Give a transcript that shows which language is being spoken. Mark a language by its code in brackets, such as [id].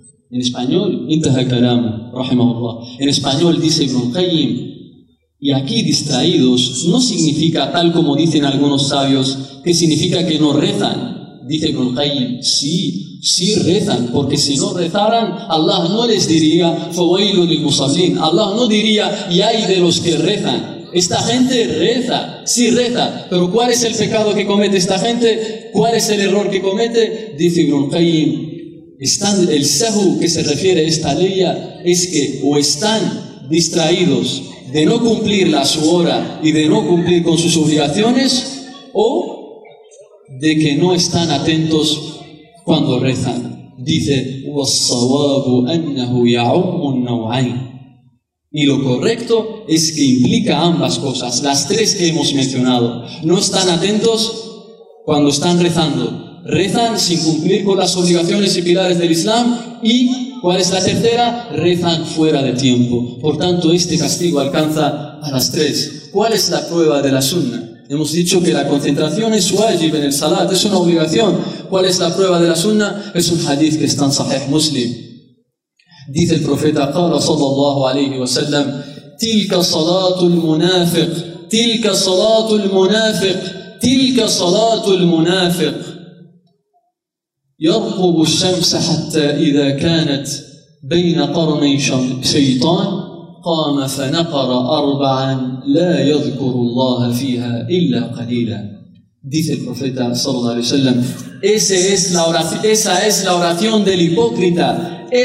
[es] En español, [ar] انتهى كلامه, رحمه الله. [es] En español dice Ibn al-Qayyim, y aquí distraídos no significa, tal como dicen algunos sabios, que significa que no rezan. Dice Ibn al-Qayyim, sí, sí rezan, porque si no rezaran, Allah no les diría [ar] فَوَيْلُ لِلْمُصَلِّينَ, [es] Allah no diría y hay de los que rezan. Esta gente reza, sí reza, pero ¿cuál es el pecado que comete esta gente? ¿Cuál es el error que comete? Dice Ibn al-Qayyim, el sahu que se refiere a esta ley es que o están distraídos de no cumplir la su hora y de no cumplir con sus obligaciones, o de que no están atentos cuando rezan. dice: [ar] وَالصَّوَابُ أَنَّهُ يَعُمُّ النَّوْعَيْنِ. [es] Y lo correcto es que implica ambas cosas, las tres que hemos mencionado. No están atentos cuando están rezando. Rezan sin cumplir con las obligaciones y pilares del Islam. ¿Y cuál es la tercera? Rezan fuera de tiempo. Por tanto, este castigo alcanza a las tres. ¿Cuál es la prueba de la sunna? Hemos dicho que la concentración es wajib en el salat, es una obligación. ¿Cuál es la prueba de la sunna? Es un hadith que está en Sahih Muslim. Dice el profeta, qala sallallahu alayhi wa sallam, [ar] tilka salatul munafiq, tilka salatul munafiq, [es] tilka salatul munafiq. [ar] يرقب الشمس حتى إذا كانت بين قرني شيطان قام فنقر أربعا لا يذكر الله فيها إلا قليلا. [es] Dice el profeta sallallahu alaihi wasallam, esa es la oración del hipócrita.